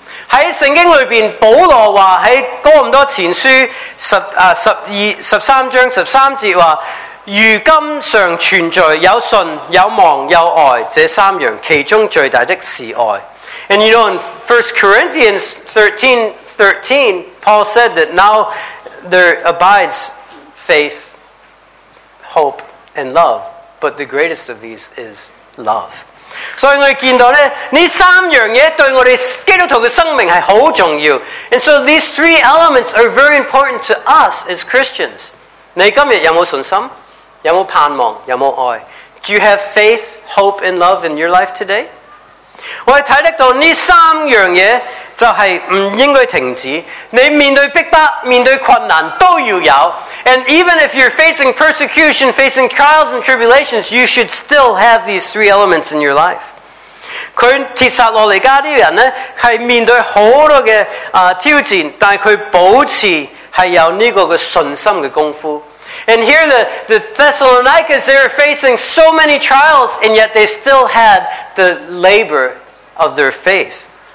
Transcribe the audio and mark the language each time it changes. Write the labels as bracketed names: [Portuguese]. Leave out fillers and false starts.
[Chinese] 在圣经里面保罗说在哥林多前书 十三章十三节说，如今常存在有信有望有爱这三样，其中最大的是爱。 [English] And you know in 1 Corinthians 13:13 Paul said that now there abides faith, hope, and love, but the greatest of these is love. So we can see that these three things are very important for us. And so these three elements are very important to us as Christians. [Chinese] 你今天有没有信心？有没有盼望？有没有爱？ [English] Do you have faith, hope, and love in your life today? [Chinese] 我们看到这三样东西就是不应该停止。你面对逼迫，面对困难都要有。 [English] And even if you're facing persecution, facing trials and tribulations, you should still have these three elements in your life. [Chinese] 他帖撒罗尼迦的人呢是面对很多的挑战，但他保持是有这个信心的功夫。 [English] And here the Thessalonians, they were facing so many trials, and yet they still had the labor of their faith.